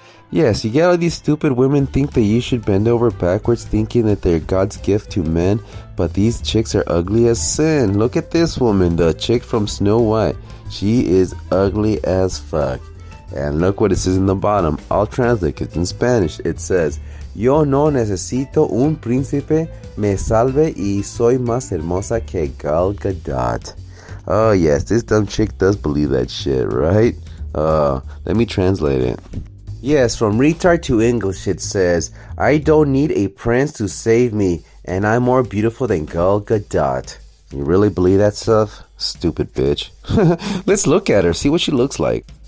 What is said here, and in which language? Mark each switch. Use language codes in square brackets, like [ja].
[en] Yes, you get all these stupid women think that you should bend over backwards thinking that they're God's gift to men, but these chicks are ugly as sin. Look at this woman, the chick from Snow White. She is ugly as fuck. And look what it says in the bottom. I'll translate it in Spanish. It says, [es] Yo no necesito un príncipe, me salve y soy más hermosa que Gal Gadot. [en] Oh yes, this dumb chick does believe that shit, right? Let me translate it. Yes, from retard to English, it says, I don't need a prince to save me, and I'm more beautiful than Gal Gadot. You really believe that stuff? Stupid bitch. Let's look at her, see what she looks like.